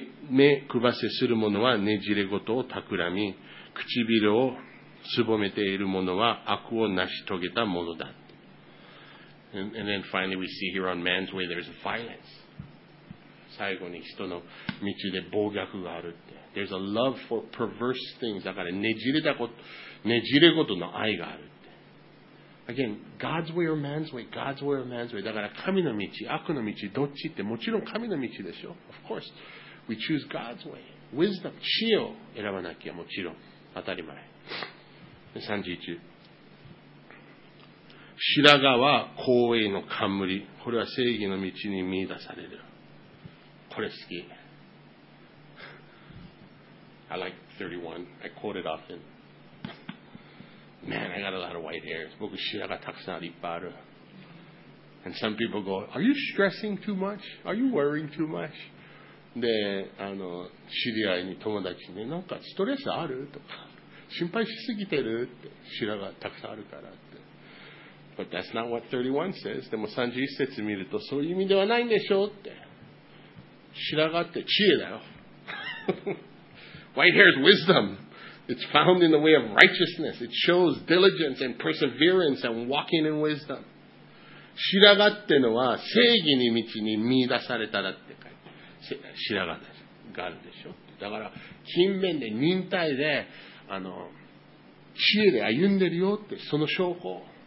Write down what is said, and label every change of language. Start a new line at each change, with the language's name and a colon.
Japanese: 目くばせする者はねじれごとを企み、唇をすぼめている者は悪を成し遂げた者だ。
English: And then finally we see here on man's way there's violence.
Japanese: 最後に人の道で暴虐があるって。
English: There's a love for perverse things.
Japanese: だからねじれごとの愛があるって。
English: Again, God's way or man's way? God's way or man's way?
Japanese: だから神の道、悪の道、どっちって、もちろん神の道でしょ。
English: Of course, we choose God's way. Wisdom,
Japanese: 知恵を選ばなきゃもちろん。当たり前。31。白髪は公営の冠。これは正義の道に見出される。これ好き。
English: I like 31. I quote it often. Man, I got a lot of white hairs.
Japanese: 僕白髪たくさんいっぱいある。
English: And some people go, Are you stressing too much? Are you worrying too much?
Japanese: で、知り合いに友達に、ね、なんかストレスあるとか、心配しすぎてるって、白髪たくさんあるからって。
English: But that's not what 31 says.
Japanese: でも31節見るとそういう意味ではないんでしょうって。白髪って知恵だよ。
English: White hair is wisdom. It's found in the way of righteousness. It shows diligence and perseverance and walking in wisdom.
Japanese: 白髪ってのは正義に道に見出されたらって書いて。白髪です。があるでしょ。だから勤勉で忍耐で知恵で歩んでるよってその証拠